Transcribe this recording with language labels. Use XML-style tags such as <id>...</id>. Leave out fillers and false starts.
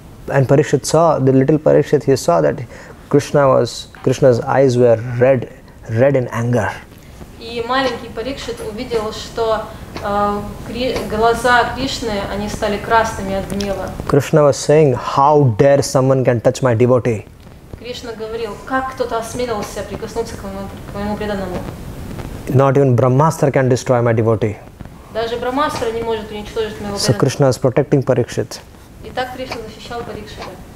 <en>And Parikshit saw, the little Parikshit, he saw that Krishna's eyes were red in anger.</en> <ru>И маленький Парикшит увидел, что глаза Кришны, они стали красными от гнева.</ru> <en>Krishna was saying, how dare someone can touch my devotee?</en> <ru>Кришна говорил, как кто-то осмелился прикоснуться к моему преданному?</ru> <en>Not even Brahmastra can destroy my devotee.</en> <ru>Даже Брахмастра не может уничтожить моего преданного.</ru> <en>So Krishna was protecting Parikshit.</en> <ru>И так Кришна защищал Парикшита.</ru>